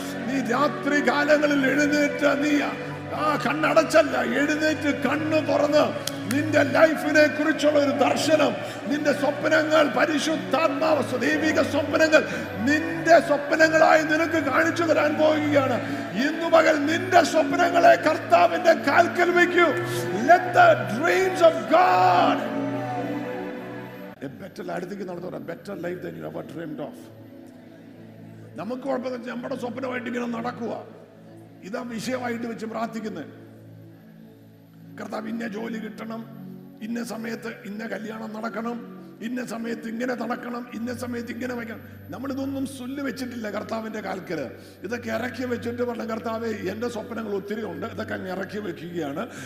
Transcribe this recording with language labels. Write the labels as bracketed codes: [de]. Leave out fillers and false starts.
[ml] നീ രാത്രി കാലങ്ങളിൽ എഴുന്നേറ്റ്, നീ ആ കണ്ണടച്ചല്ല, എഴുന്നേറ്റ് കണ്ണ് തുറന്ന് നിന്റെ ലൈഫിനെ കുറിച്ചുള്ള ഒരു ദർശനം, നിന്റെ സ്വപ്നങ്ങൾ, പരിശുദ്ധാത്മാവ് ദൈവിക സ്വപ്നങ്ങൾ നിന്റെ സ്വപ്നങ്ങളായി നിനക്ക് കാണിച്ചു തരാൻ പോവുകയാണ്. ഇന്നു പകൽ നിന്റെ സ്വപ്നങ്ങളെ കർത്താവിന്റെ കാൽക്കൽ വെക്കൂ. [en] Let the dreams of God. A better life than you ever dreamed of. [ml] നമുക്ക് കുഴപ്പമില്ല, നമ്മുടെ സ്വപ്നമായിട്ട് ഇങ്ങനെ നടക്കുക, ഇതാ വിഷയമായിട്ട് വെച്ച് പ്രാർത്ഥിക്കുന്നത്. കർത്താവ് ഇന്ന ജോലി കിട്ടണം, ഇന്ന സമയത്ത് ഇന്ന കല്യാണം നടക്കണം, ഇന്ന സമയത്ത് ഇങ്ങനെ നടക്കണം, ഇന്ന സമയത്ത് ഇങ്ങനെ വയ്ക്കണം. നമ്മളിതൊന്നും സ്വല്ല് വെച്ചിട്ടില്ല കർത്താവിന്റെ കാൽക്കൽ. ഇതൊക്കെ ഇറക്കി വെച്ചിട്ട് പറഞ്ഞ, കർത്താവേ എന്റെ സ്വപ്നങ്ങൾ ഒത്തിരി ഉണ്ട്, ഇതൊക്കെ അങ്ങ് ഇറക്കി വെക്കുകയാണ്.